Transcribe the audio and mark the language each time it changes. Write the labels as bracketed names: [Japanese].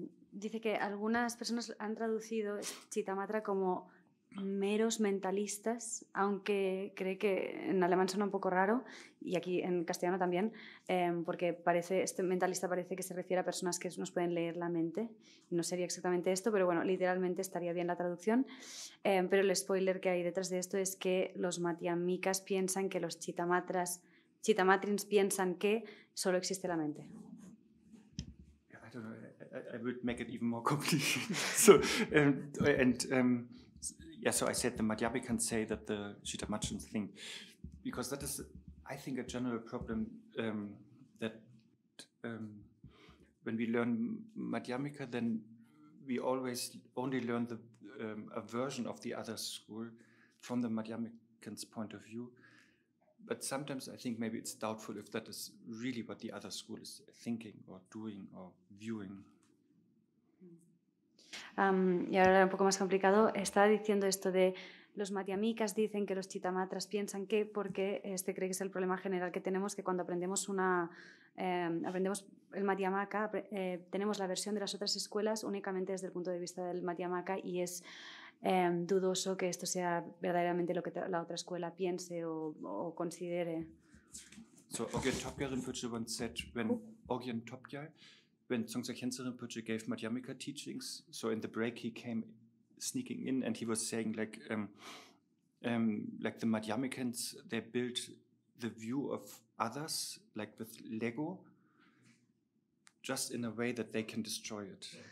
[Spanish] Dice que algunas personas han traducido Chitta Matra como meros mentalistas, aunque cree que en alemán suena un poco raro y aquí en castellano también, porque parece este mentalista parece que se refiere a personas que nos pueden leer la mente. No sería exactamente esto, pero bueno, literalmente estaría bien la traducción. Pero el spoiler que hay detrás de esto es que los matiamikas piensan que los chitamatrins piensan que solo existe la mente. [English] I don't know. I would make it even more complicated. So, yeah, so I said the Madhyamikans say that the Chitta Matrans think, because that is, I think, a general problem when we learn Madhyamika, then we always only learn the a version of the other school from the Madhyamikans' point of view. But sometimes I think maybe it's doubtful if that is really what the other school is thinking or doing or viewing. [Spanish] Y ahora era un poco más complicado. Está diciendo esto de los matiamikas dicen que los chitamatras piensan que porque este cree que es el problema general que tenemos, que cuando aprendemos aprendemos el matiamaka, tenemos la versión de las otras escuelas únicamente desde el punto de vista del matiamaka y es dudoso que esto sea verdaderamente lo que la otra escuela piense o considere. [English] So Ogyen Topgyal Rinpoche once said, when Ogyen Topgyal, when Tsongtsa Khyentse Rinpoche gave Madhyamika teachings, so in the break he came sneaking in and he was saying like the Madhyamikans, they built the view of others like with Lego, just in a way that they can destroy it.